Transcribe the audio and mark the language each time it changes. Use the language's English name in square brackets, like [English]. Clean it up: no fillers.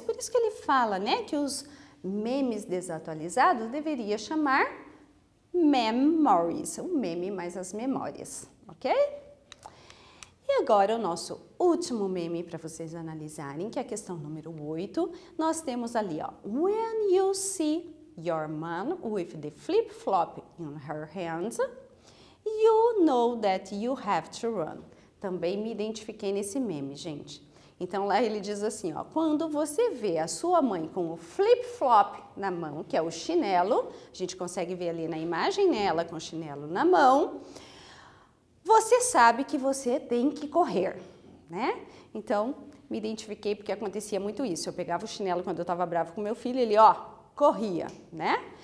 [Portuguese] Por isso que ele fala, né, que os memes desatualizados deveria chamar memories. O meme mais as memórias, ok? E agora, o nosso último meme para vocês analisarem, que é a questão número 8. Nós temos ali, ó, [English] when you see your mom with the flip-flop in her hands, you know that you have to run. [Portuguese] Também me identifiquei nesse meme, gente. Então, lá ele diz assim, ó. Quando você vê a sua mãe com o flip-flop na mão, que é o chinelo, a gente consegue ver ali na imagem, né, ela com o chinelo na mão, você sabe que você tem que correr, né? Então, me identifiquei porque acontecia muito isso. Eu pegava o chinelo quando eu tava bravo com meu filho, ele, ó, corria, né?